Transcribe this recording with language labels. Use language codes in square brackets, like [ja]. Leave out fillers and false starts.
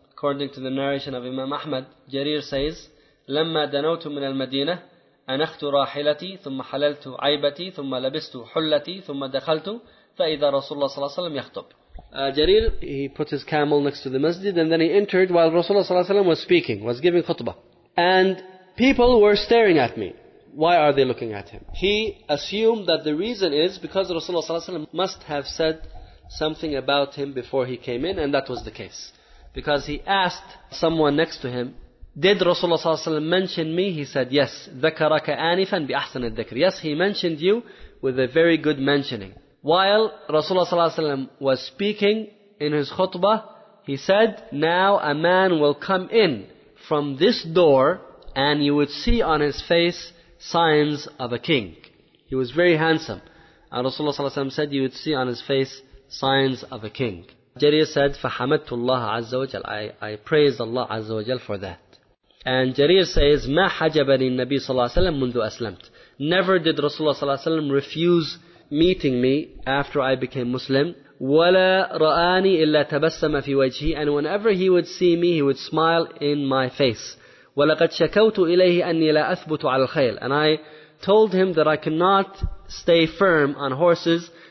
[en] According to the narration of Imam Ahmad, Jarir says, [ar] لما دنوت من المدينة أنخت راحلتي ثم حللت عيبتي ثم لبست حلتي ثم دخلت فإذا Rasulullah ﷺ يخطب. [en] Jarir, he put his camel next to the masjid, and then he entered while Rasulullah ﷺ was speaking, was giving khutbah. And people were staring at me. Why are they looking at him? He assumed that the reason is because Rasulullah ﷺ must have said something about him before he came in, and that was the case. Because he asked someone next to him, did Rasulullah ﷺ mention me? He said, yes. [ar] ذَكَرَكَ آنِفًا بِأَحْسَنِ الذِّكْرِ. [en] Yes, he mentioned you with a very good mentioning. While Rasulullah ﷺ was speaking in his khutbah, he said, now a man will come in from this door and you would see on his face signs of a king. He was very handsome. And Rasulullah ﷺ said, you would see on his face signs of a king. Jarir said, [ar] فَحَمَدْتُ اللَّهَ عَزَّ وَجَلَ. [en] I praised Allah عز وجل for that. And Jarir says, [ar] مَا حَجَبَنِي النَّبِي صلى الله عليه وسلم منذ أسلمت. [en] Never did Rasulullah ﷺ refuse meeting me after I became Muslim. [ar] وَلَا رَآنِي إِلَّا تَبَسَّمَ فِي وَجْهِي. [en] And whenever he would see me, he would smile in my face. [ar] وَلَقَدْ شَكَوْتُ إِلَيْهِ أَنِّي لَا أَثْبُتُ عَلَى الْخَيْلِ. [en] And I told him that I cannot stay firm on horses.